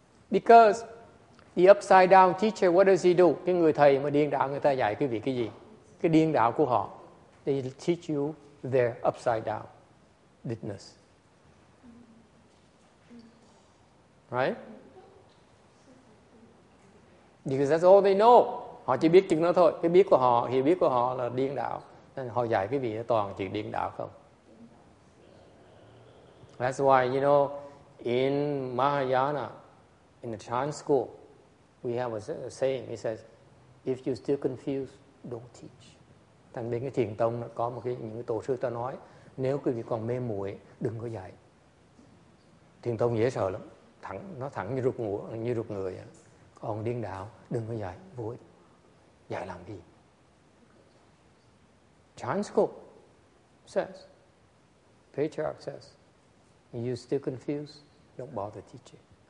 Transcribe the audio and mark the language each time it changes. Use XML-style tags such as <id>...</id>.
<en>Because the upside down teacher, what does he do?</en> <vi>Cái người thầy mà điên đảo, người ta dạy quý vị cái gì? Cái điên đảo của họ.</vi> <en>They teach you their upside down deepness. Right? Because that's all they know.</en> <vi>Họ chỉ biết chừng đó thôi. Cái biết của họ, hiểu biết của họ là điên đảo. Nên họ dạy quý vị toàn chỉ điên đảo không.</vi> <en>That's why, you know, in Mahayana, in the Chan school, we have a saying. It says, if you're still confused, don't teach.</en> <vi>Thành bên cái thiền tông có một cái những cái tổ sư ta nói, nếu quý vị còn mê muội đừng có dạy. Thiền tông dễ sợ lắm, thẳng nó thẳng như rụt ngựa, như rụt người. Còn điên đảo đừng có dạy, vô ích. Dạy làm gì?</vi> <en>Chan school says, patriarch says, you still confused, don't bother teaching.</en>